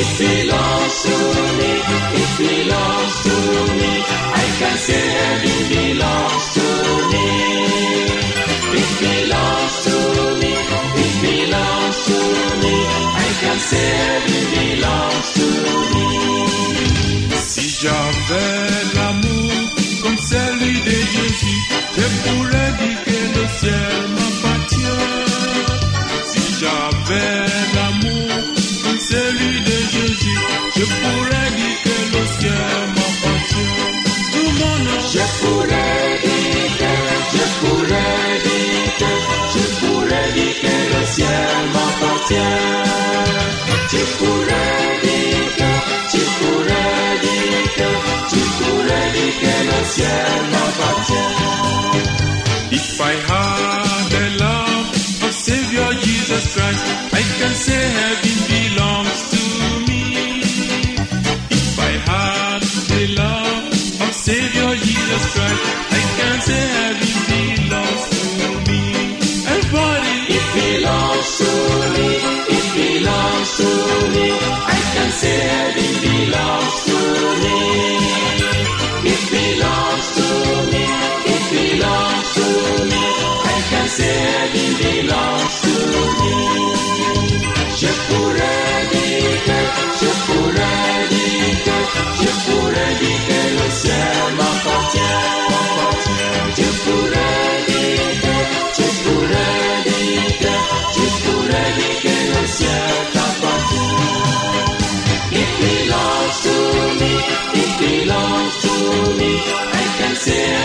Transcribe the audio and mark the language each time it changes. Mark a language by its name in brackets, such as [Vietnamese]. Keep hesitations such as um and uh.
[English] It belongs to me, it belongs to me. I can say heaven belongs to me. It belongs to me, it belongs to me. I can say heaven belongs to me. [French] Si j'avais l'amour comme celui de Jésus, je pourrais dire que le ciel m'appartient. Si j'avais l'amour comme celui de Jésus, je pourrais dire que le ciel m'appartient. Tout mon nom, Je pourrais dire que, je pourrais dire que, je pourrais dire que le ciel m'appartient. Je pourrais dire que, je pourrais dire que, je pourrais dire que le ciel m'appartient. [English] If I had the love of Savior Jesus Christ, I can say heaven belongs to me. If I had the love of Savior Jesus Christ, I can say heaven belongs to me. Everybody, It belongs to me, it belongs to me. I can say heaven belongs to me. It belongs to me, it belongs to me. I can say heaven belongs to me. [French] Je pourrais dire que, je pourrais dire que, je pourrais dire que le ciel m'appartient. Je pourrais dire que, je pourrais dire que, je pourrais dire que le ciel t'appartient. [English] It belongs to me, it belongs to me. I can say